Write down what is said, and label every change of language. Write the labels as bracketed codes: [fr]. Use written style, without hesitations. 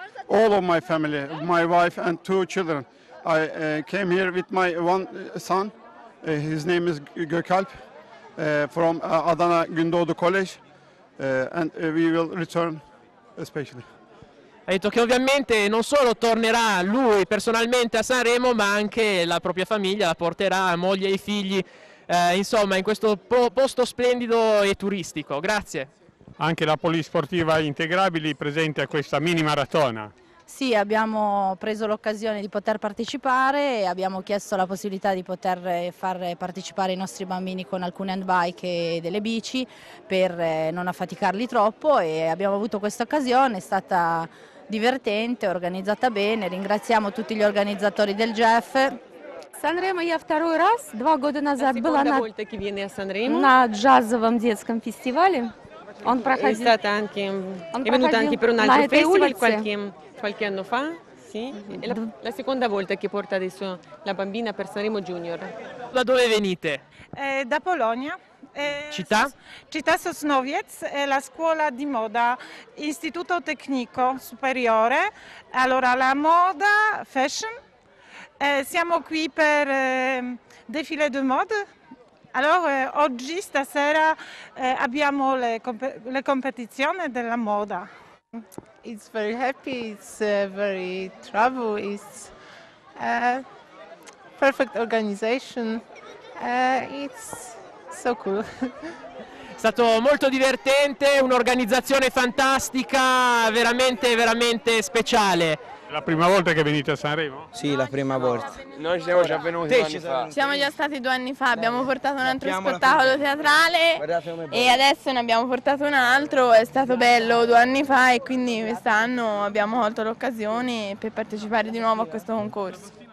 [en] All of my family, my wife and two children. I came here with my one son. His name is Gökalp. From Adana Gündoğdu College and we will return especially. [it] Ha detto che ovviamente non solo tornerà lui personalmente a Sanremo, ma anche la propria famiglia la porterà, moglie e figli, insomma, in questo posto splendido e turistico. Grazie. Anche la polisportiva Integrabili presente a questa mini maratona. Sì, abbiamo preso l'occasione di poter partecipare e abbiamo chiesto la possibilità di poter far partecipare i nostri bambini con alcune handbike e delle bici per non affaticarli troppo e abbiamo avuto questa occasione, è stata divertente, organizzata bene, ringraziamo tutti gli organizzatori del GEF. Sanremo è la seconda volta, due anni fa, volta che viene a Sanremo. [ru] На джазовом детском фестивале. Он проходил. [it] È venuto anche per un altro festival qualche anno fa, sì. È la seconda volta che porta adesso la bambina per Sanremo Junior. Da dove venite? Da Polonia. Città? Città Sosnowiec, la scuola di moda, istituto tecnico superiore. Allora, la moda, fashion. Siamo qui per [fr] défilé de mode. [it] Allora, oggi, stasera, abbiamo le competizioni della moda. [en] It's very happy, it's very travel, it's perfect organization, it's so cool. [it] È stato molto divertente, un'organizzazione fantastica, veramente, veramente speciale. La prima volta che venite a Sanremo? Sì, la prima volta. Noi ci siamo già venuti due anni fa. Siamo già stati due anni fa, abbiamo portato un altro spettacolo teatrale e adesso ne abbiamo portato un altro, è stato bello due anni fa e quindi quest'anno abbiamo colto l'occasione per partecipare di nuovo a questo concorso.